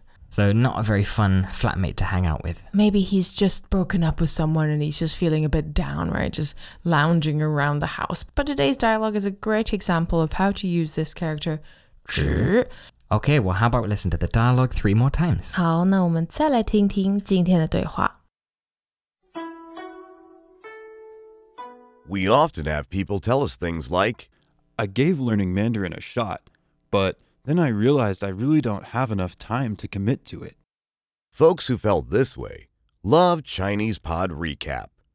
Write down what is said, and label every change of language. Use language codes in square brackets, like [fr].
[en] So not a very fun flatmate to hang out with. Maybe he's just broken up with someone and he's just feeling a bit down, right? Just lounging around the house. But today's dialogue is a great example of how to use this character. [zh] 只. [en] Okay, well, how about we listen to the dialogue three more times? [zh] 好, 那我们再来听听今天的对话。 [en] We often have people tell us things like, I gave learning Mandarin a shot, but then I realized I really don't have enough time to commit to it. Folks who felt this way love Chinese Pod Recap.